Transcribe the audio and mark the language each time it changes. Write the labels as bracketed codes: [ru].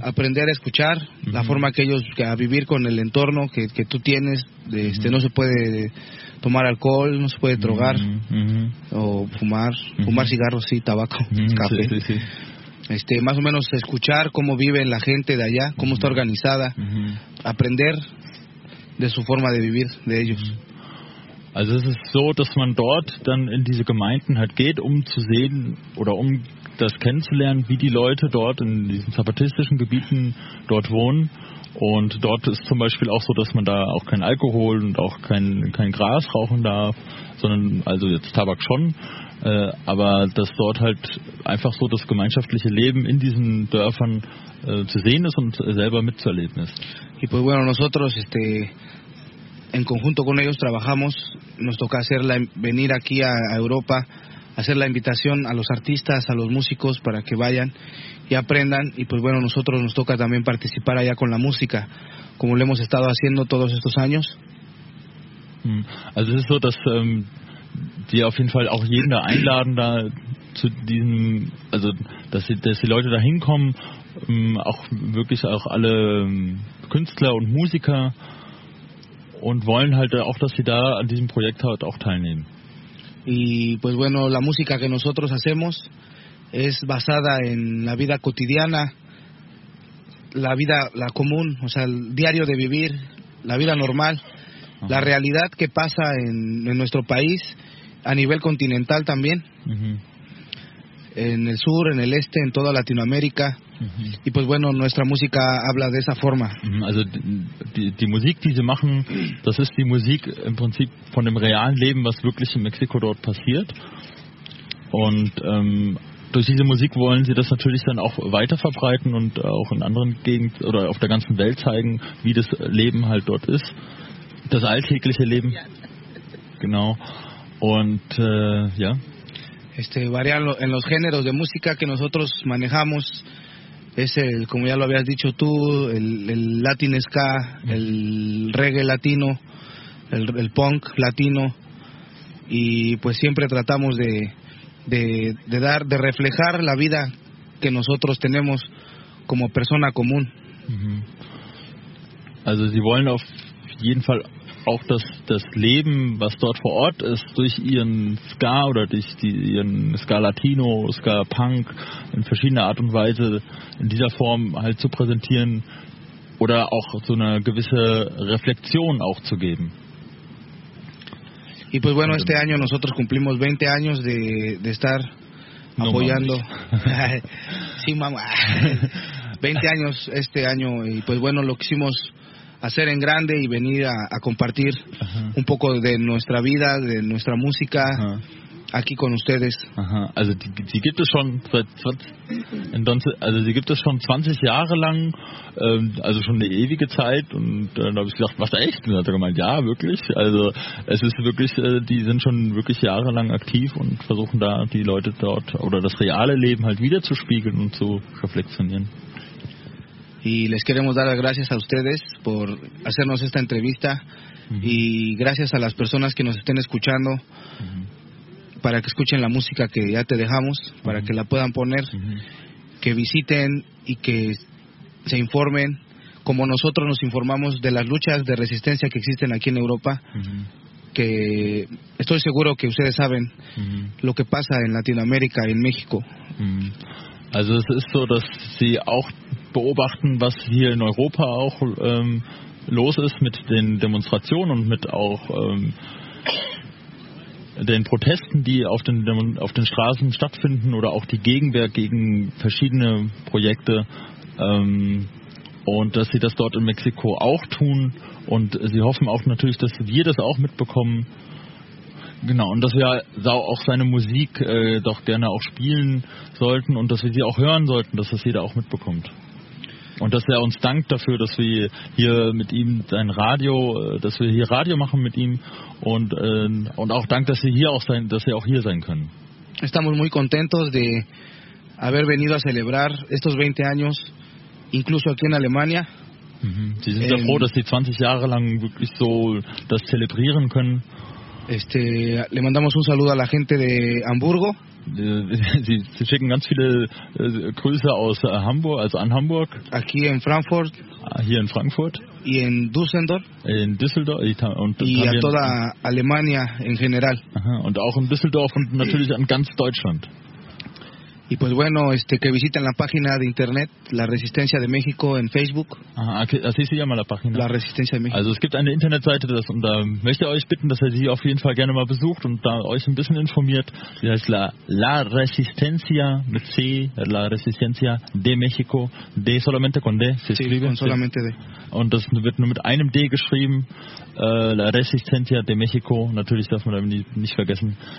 [es] Aprender a escuchar, uh-huh, la forma que ellos, a vivir con el entorno que tú tienes, uh-huh, no se puede tomar alcohol, no se puede drogar, uh-huh, o fumar, uh-huh, fumar cigarros, sí, tabaco, uh-huh, café. Sí, sí, sí. Este, más o menos escuchar cómo vive la gente de allá, cómo, uh-huh, está organizada, uh-huh, aprender de su forma de vivir de ellos. Uh-huh. [de] Also es ist so, dass man dort dann in diese Gemeinden halt geht, um zu sehen oder um das kennenzulernen, wie die Leute dort in diesen zapatistischen Gebieten dort wohnen. Und dort ist zum Beispiel auch so, dass man da auch kein Alkohol und auch kein Gras rauchen darf, sondern also jetzt Tabak schon. Aber dass dort halt einfach so das gemeinschaftliche Leben in diesen Dörfern zu sehen ist und selber mitzuerleben ist. [es] Y pues bueno, nosotros este... En conjunto con ellos trabajamos, nos toca hacer la, venir aquí a Europa, hacer la invitación a los artistas, a los músicos para que vayan y aprendan. Y pues bueno, nosotros nos toca también participar allá con la música, como lo hemos estado haciendo todos estos años. [de] Also es so, dass die auf jeden Fall auch jeden da einladen, da zu diesen, also dass die Leute da hinkommen, auch wirklich auch alle Künstler und Musiker. Und wollen halt auch, dass sie da an diesem Projekt halt auch teilnehmen. [es] Y pues bueno, la música que nosotros hacemos es basada en la vida cotidiana, la vida, la común, o sea, el diario de vivir, la vida normal, ajá, la realidad que pasa en nuestro país, a nivel continental también, uh-huh, en el sur, en el este, en toda Latinoamérica. Y pues bueno, nuestra música habla de esa forma. [de] Also die Musik, die sie machen, das ist die Musik im Prinzip von dem realen Leben, was wirklich in Mexiko dort passiert. Und durch diese Musik wollen sie das natürlich dann auch weiter verbreiten und auch in anderen Gegenden oder auf der ganzen Welt zeigen, wie das Leben halt dort ist. Das alltägliche Leben. Genau. Und ja. [es] Este varía en los géneros de música que nosotros manejamos. Es el, como ya lo habías dicho tú, el Latin ska, el reggae latino, el punk latino, y pues siempre tratamos de dar, de reflejar la vida que nosotros tenemos como persona común. [de] Also sie wollen auf jeden Fall auch das Leben, was dort vor Ort ist, durch ihren ska oder durch ihren ska latino, ska punk in verschiedener Art und Weise in dieser Form halt zu präsentieren oder auch so eine gewisse Reflexion auch zu geben. [es] Y pues bueno, also, este año nosotros cumplimos 20 años de estar apoyando. No, sí, mamá. 20 años este año y pues bueno, lo quisimos hacer en grande y venir a compartir Ajá. un poco de nuestra vida, de nuestra música Ajá. aquí con ustedes. Ajá. [de] Also die gibt es schon seit [es] entonces, [de] also die gibt es schon 20 Jahre lang, also schon eine ewige Zeit und dann habe ich gedacht, was echt? Und hat er gemeint, ja, wirklich. Also es ist wirklich, die sind schon wirklich jahrelang aktiv und versuchen da die Leute dort oder das reale Leben halt wieder zu spiegeln und zu reflektieren. [es] Y les queremos dar las gracias a ustedes por hacernos esta entrevista uh-huh. y gracias a las personas que nos estén escuchando uh-huh. para que escuchen la música que ya te dejamos, para uh-huh. que la puedan poner, uh-huh. que visiten y que se informen, como nosotros nos informamos de las luchas de resistencia que existen aquí en Europa, uh-huh. que estoy seguro que ustedes saben uh-huh. lo que pasa en Latinoamérica y en México. Uh-huh. [de] Also es ist so, dass sie auch beobachten, was hier in Europa auch los ist mit den Demonstrationen und mit auch den Protesten, die auf den Straßen stattfinden oder auch die Gegenwehr gegen verschiedene Projekte und dass sie das dort in Mexiko auch tun und sie hoffen auch natürlich, dass wir das auch mitbekommen. Genau, und dass wir auch seine Musik doch gerne auch spielen sollten und dass wir sie auch hören sollten, dass das jeder auch mitbekommt. Und dass er uns dankt dafür, dass wir hier mit ihm sein Radio, dass wir hier Radio machen mit ihm und auch dankt, dass wir hier auch sein, dass wir auch hier sein können. [es] Estamos muy contentos de haber venido a celebrar estos 20 años, incluso aquí en Alemania. [de] Sie sind sehr froh, dass sie 20 Jahre lang wirklich so das zelebrieren können. [es] Le mandamos un saludo a la gente de Hamburgo. [de] Sie schicken ganz viele Grüße aus Hamburg, also an Hamburg. [es] Aquí en Frankfurt. [de] Hier in Frankfurt. [es] Y en Düsseldorf. [de] In Düsseldorf. [es] Y a toda Alemania en general. [de] Aha, und auch in Düsseldorf und natürlich an ganz Deutschland. [es] Y pues bueno, que visiten la página de internet, La Resistencia de México en Facebook. Aha, okay, así se llama la página. La Resistencia de México. [de] Also es gibt eine Internetseite, und da möchte ich euch bitten, dass ihr sie auf jeden Fall gerne mal besucht und da euch ein bisschen informiert. Sie heißt La Resistencia, mit C, La Resistencia de México, D [es] solamente con D, se escribe. Sí, solamente D. [de] Und das wird nur mit einem D geschrieben, La Resistencia de México, natürlich darf man das nicht vergessen.